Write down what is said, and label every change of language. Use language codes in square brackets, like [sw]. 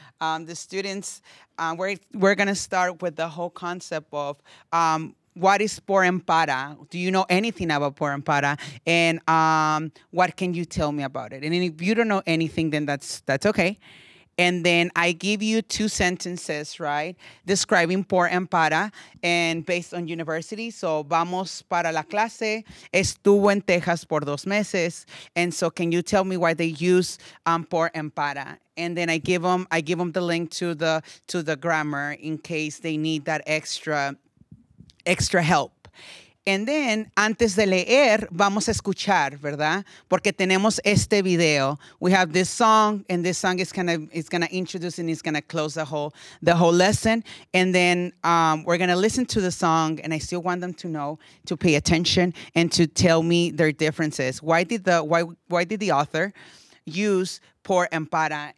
[en] The students, we're gonna start with the whole concept of what is por and para? Do you know anything about por and para? And what can you tell me about it? And if you don't know anything, then that's okay. And then I give you two sentences, right? Describing por and para, and based on university. So [es] vamos para la clase. Estuvo en Texas por 2 meses. [en] And so can you tell me why they use por and para? And then I give them the link to the grammar in case they need that extra help. And then, [es] antes de leer, vamos a escuchar, ¿verdad? Porque tenemos este video. [en] We have this song, and this song is gonna introduce and it's gonna close the whole lesson. And then we're gonna listen to the song, and I still want them to know, to pay attention, and to tell me their differences. Why did the author use por and para?